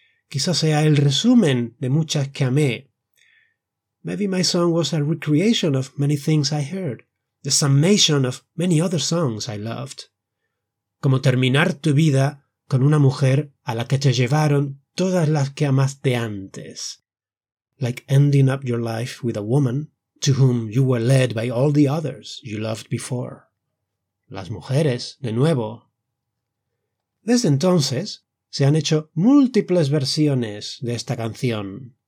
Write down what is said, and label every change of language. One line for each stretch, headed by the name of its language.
Spanish: Quizá sea el resumen de muchas que amé.
English: Maybe my song was a recreation of many things I heard. The summation of many other songs I loved.
Spanish: Como terminar tu vida con una mujer a la que te llevaron todas las que amaste antes.
English: Like ending up your life with a woman to whom you were led by all the others you loved before.
Spanish: Las mujeres, de nuevo. Desde entonces, se han hecho múltiples versiones de esta canción.